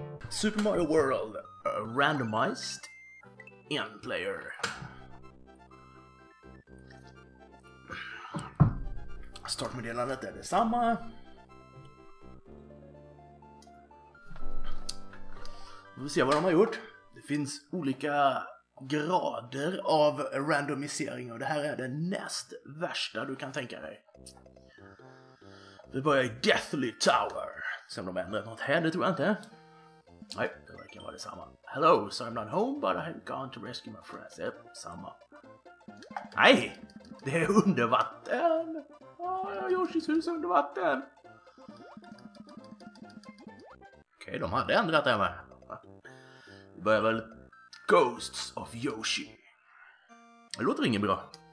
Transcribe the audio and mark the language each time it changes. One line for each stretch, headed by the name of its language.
English: Super Mario World randomized in player.
Swedish: Startmeddelandet är detsamma. Vi får se vad de har gjort. Det finns olika grader av randomisering och det här är det näst värsta du kan tänka dig. Vi börjar i Deathly Tower. Se om de ändrat något här, det tror jag inte. Nej, det verkar vara detsamma.
English: Hello, so I'm not home but I have gone to rescue my friends.
Swedish: Yep, samma. Nej, det är under vatten. Ja, Yoshis hus under vatten. Okej, de hade ändrat det här. Vi börjar väl Ghosts of Yoshi. Det låter inget bra.